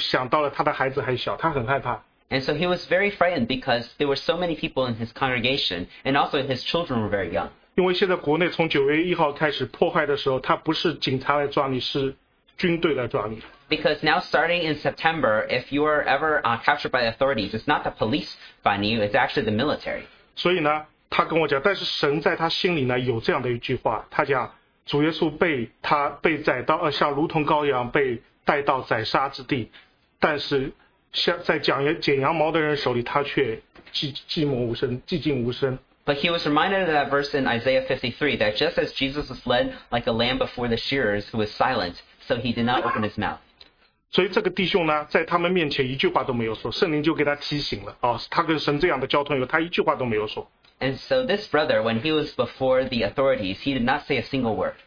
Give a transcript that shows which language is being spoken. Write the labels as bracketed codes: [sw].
[zh] 所以他想到了他教会有这么多羊要牧羊，又想到了他的孩子还小，他很害怕。 [en] And so he was very frightened because there were so many people in his congregation, and also his children were very young. [zh] 因为现在国内从9月1号开始迫害的时候，他不是警察来抓你，是军队来抓你。 [en] Because now starting in September, if you are ever captured by authorities, it's not the police finding you, it's actually the military. [zh] 所以呢，他跟我讲，但是神在他心里呢有这样的一句话，他讲，主耶稣被宰刀，像如同羔羊被带到宰杀之地，但是。在剪羊毛的人手里，他却寂寂寞无声，寂静无声。 [en] But he was reminded of that verse in Isaiah 53, that just as Jesus was led like a lamb before the shearers who was silent, so he did not open his mouth. [zh] 所以这个弟兄呢，在他们面前一句话都没有说，圣灵就给他提醒了。哦，他跟神这样的交通以后，他一句话都没有说。 [en] And so this brother, when he was before the authorities, he did not say a single word.